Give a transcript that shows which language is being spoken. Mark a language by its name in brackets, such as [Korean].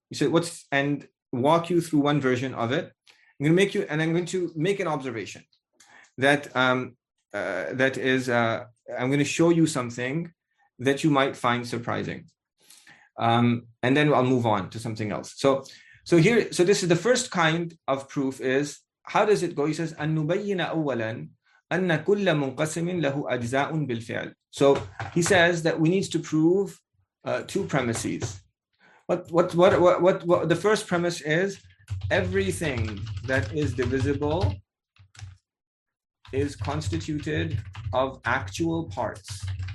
[English] You say what's and walk you through one version of it. I'm going to make you, and I'm going to make an observation that that is, I'm going to show you something that you might find surprising. And then I'll move on to something else. So here, so this is the first kind of proof is, how does it go? He says, [Arabic] أَنُّبَيِّنَ أَوَّلًا أَنَّ كُلَّ مُنْقَسِمٍ لَهُ أَجْزَاءٌ بِالْفِعْلِ. [English] So he says that we need to prove two premises. What the first premise is, everything that is divisible is constituted of actual parts.